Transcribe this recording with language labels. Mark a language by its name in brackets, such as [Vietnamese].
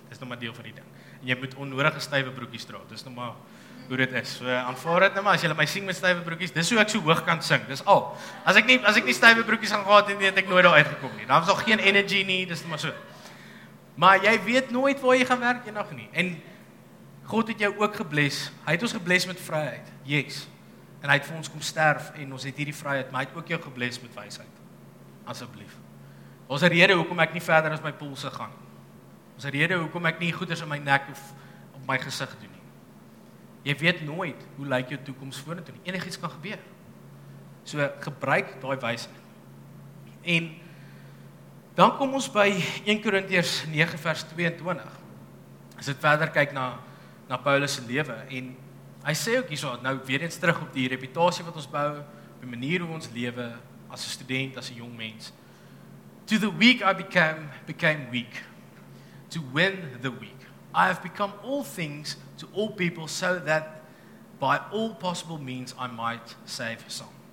[Afrikaans] Dit is nog maar deel van die ding. En jy moet onnodige stywe broekies dra, dit is nog maar hoe dit is. So, aanvaar dit nou maar, as jy my sien met stywe broekies, dis hoe ek so hoog kan sing, dis al. As ek nie stywe broekies gaan gehad, het ek nooit daar uitgekom nie. Daar is nog geen energy nie, dis nou maar so. Maar jy weet nooit waar jy gaan werk, jy nog nie. En God het jou ook gebles, hy het ons gebles met vryheid, yes. En hy het vir ons kom sterf, en ons het hierdie vryheid, maar hy het ook jou gebles met wysheid, asseblief. Ons een rede hoekom ek nie verder as my polse gaan. Ons een rede hoekom ek nie goeders in my nek of op my gezicht doen nie. Jy weet nooit hoe lyk jou toekoms vorentoe nie. Enig iets kan gebeur. So gebruik daai wysheid. En dan kom ons by 1 Korintiërs 9 vers 22. As het verder kyk na Paulus se lewe, en hy sê ook hierso, nou weer eens terug op die reputasie wat ons bou, op die manier hoe ons lewe, as 'n student, as 'n jong mens. [English] To the weak I became weak, to win the weak. I have become all things to all people, so that by all possible means I might save some.